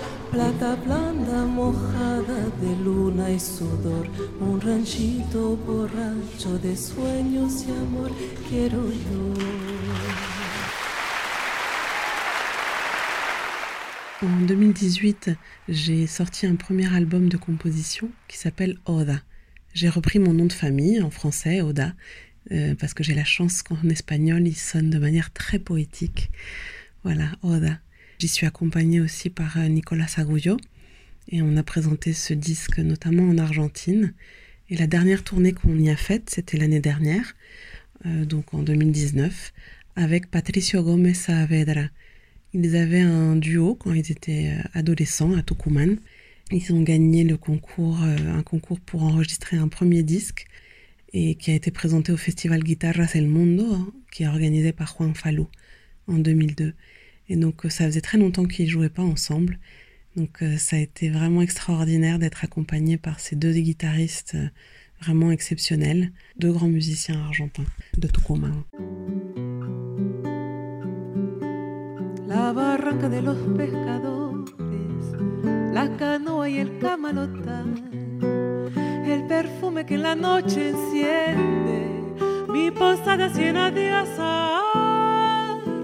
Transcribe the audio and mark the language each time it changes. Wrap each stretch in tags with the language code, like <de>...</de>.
<es>plata blanda mojada de luna y sudor, un ranchito borracho de sueños y amor quiero yo.</es> <fr>En 2018, j'ai sorti un premier album de composition qui s'appelle Oda. J'ai repris mon nom de famille en français, Oda, parce que j'ai la chance qu'en espagnol, il sonne de manière très poétique. Voilà, Oda. J'y suis accompagnée aussi par Nicolas Agullo et on a présenté ce disque notamment en Argentine. Et la dernière tournée qu'on y a faite, c'était l'année dernière, donc en 2019, avec Patricio Gómez Saavedra. Ils avaient un duo quand ils étaient adolescents à Tucumán. Ils ont gagné le concours, un concours pour enregistrer un premier disque et qui a été présenté au festival Guitarras El Mundo, qui est organisé par Juan Falú en 2002. Et donc ça faisait très longtemps qu'ils ne jouaient pas ensemble. Donc ça a été vraiment extraordinaire d'être accompagné par ces deux guitaristes vraiment exceptionnels, deux grands musiciens argentins de Tucumán.</fr> <es>La barranca de los pescadores, la canoa y el camalotal, el perfume que en la noche enciende, mi posada llena de azahar.</es>